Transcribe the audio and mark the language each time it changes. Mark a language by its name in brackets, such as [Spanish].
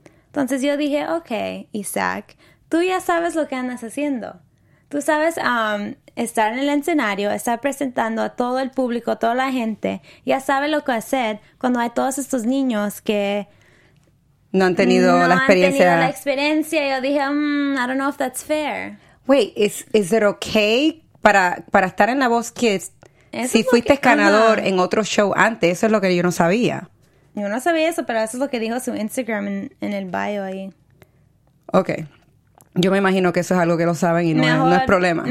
[Spanish] Entonces yo dije, okay, Isaac, tú ya sabes lo que andas haciendo. Tú sabes estar en el escenario, estar presentando a todo el público, toda la gente. Ya sabes lo que hacer cuando hay todos estos niños que... No han tenido no la experiencia. No han tenido la experiencia. Yo dije, [English] I don't know if that's fair. Wait, is it okay [Spanish] para estar en La Voz Kids si fuiste ganador en otro show antes? Eso es lo que yo no sabía. Yo no sabía eso, pero eso es lo que dijo su Instagram en el bio ahí. [English] Okay. [Spanish] Yo me imagino que eso es algo que lo saben y no es problema.